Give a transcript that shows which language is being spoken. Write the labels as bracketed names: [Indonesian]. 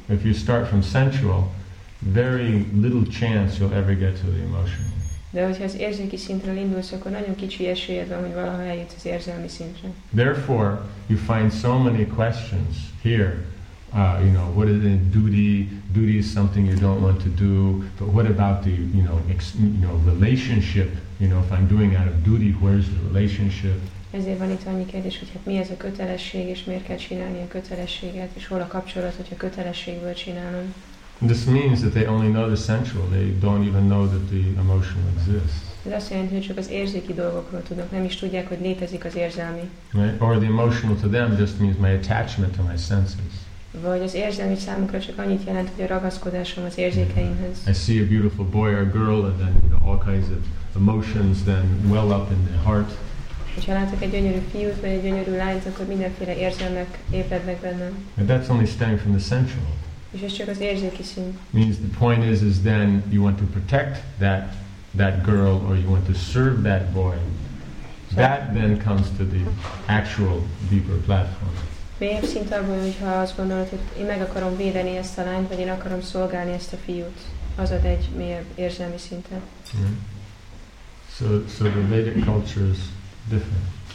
[English] If you start from sensual, very little chance you'll ever get to the emotional. [Hungarian] De hogyha az érzéki szintről indulsz, akkor nagyon kicsi esélyed van, hogy valaha eljutsz az érzelmi szintre. [English] Therefore, you find so many questions here You know, what is it in duty? Duty is something you don't want to do. But what about the, you know, relationship? You know, if I'm doing out of duty, where's the relationship? [Hungarian] Ezért van itt annyi kérdés, hogy hát mi ez a kötelesség, és miért kell csinálni a kötelességet, és hol a kapcsolat, hogyha kötelességből csinálom. [English] This means that they only know the sensual. They don't even know that the emotional exists. [Hungarian] Ez azt jelenti, hogy csak az érzéki dolgokról tudnak, nem is tudják, hogy létezik az érzelmi. [English] Right? Or the emotional to them just means my attachment to my senses. [Hungarian] Vagy az érzelmi számukra csak annyit jelent, hogy a ragaszkodásom az érzékeimhez. [English] I see a beautiful boy or girl, and then, you know, all kinds of emotions then well up in the heart. [Hungarian] Hogyha látok egy gyönyörű fiút vagy egy gyönyörű lányt, akkor mindenféle érzelmek ébrednek bennem. [English] And that's only stemming from the sensual. [Hungarian] És ez csak az érzéki szín. [English] Means the point is then you want to protect that girl, or you want to serve that boy. So that then comes to the actual deeper platform. [Hungarian] Mélyebb szint abban, hogyha azt gondolod, hogy én meg akarom védeni ezt a lányt, vagy én akarom szolgálni ezt a fiút, az ad egy mélyebb érzelmi szintet. [English] Mm-hmm. So the Vedic culture is different.